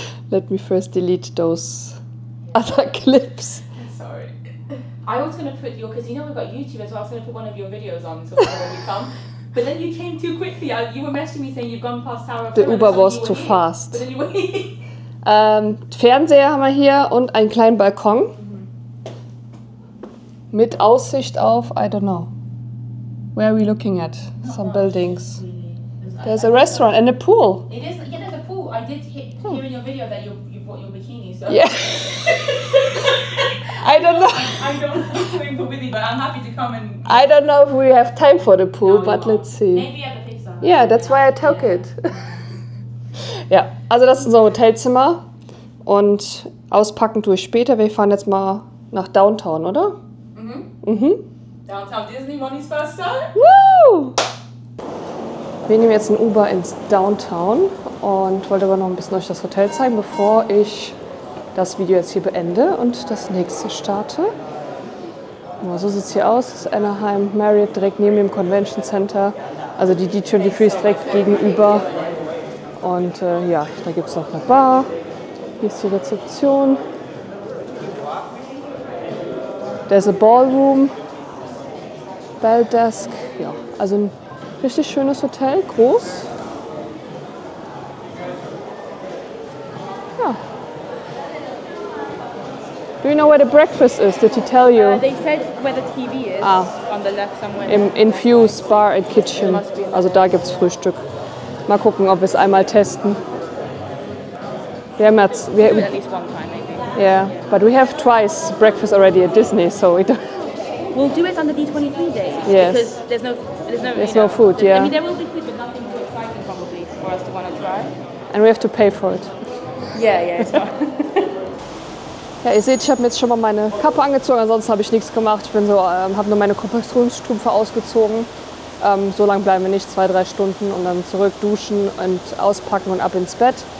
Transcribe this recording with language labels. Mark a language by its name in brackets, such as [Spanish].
[English] Let me first delete those other clips. Sorry. I was going to put your, because you know we've got YouTube as well, I was going to put one of your videos on so when we come. But then you came too quickly. You were messaging me saying you've gone past Tower of Terror. The Uber was too fast. But anyway. [German] Fernseher haben wir hier und einen kleinen Balkon. Mhm. Mit Aussicht auf, [English] I don't know. Where are we looking at? Some buildings. There's a restaurant and a pool. It is, yeah, there's a pool. I did hear in your video that you bought your bikini, so. Yeah. I don't know. I don't have to swim for Winnie, but I'm happy to come and. I don't know if we have time for the pool, no, but let's see. Maybe at the pizza. Yeah, that's why I took it. [German] Ja, also das ist unser Hotelzimmer und auspacken tue ich später. Wir fahren jetzt mal nach Downtown, oder? Mhm. Mhm. [English] Downtown Disney, Moni's first time. Woo! [German] Wir nehmen jetzt ein Uber ins Downtown und wollte aber noch ein bisschen euch das Hotel zeigen, bevor ich das Video jetzt hier beende und das nächste starte. Boah, so sieht es hier aus. Das ist Anaheim Marriott direkt neben dem Convention Center. Also die D23 ist direkt gegenüber. Und ja, da gibt es noch eine Bar. Hier ist die Rezeption. Da ist ein Ballroom. Belldesk. Ja, also ein richtig schönes Hotel. Groß. Ja. [English] Do you know where the breakfast is? Did he tell you? They said where the TV is. Ah. On the left somewhere. [German] Im Infuse Bar and Kitchen. Also da gibt es Frühstück. Mal gucken, ob wir es einmal testen. Wir haben jetzt... [English] At least one time, maybe. Yeah, but we have twice breakfast already at Disney, so we don't... We'll do it on the D23 day. Yes. Because there's no food, yeah. I mean, there will be food, but nothing too exciting probably for us to want to try. And we have to pay for it. Yeah, yeah, it's fine. [German] Ja, ihr seht, ich habe jetzt schon mal meine Kappe angezogen, ansonsten habe ich nichts gemacht. Ich bin so, habe nur meine Kompressionsstrümpfe ausgezogen. So lange bleiben wir nicht, 2-3 Stunden und dann zurück duschen und auspacken und ab ins Bett.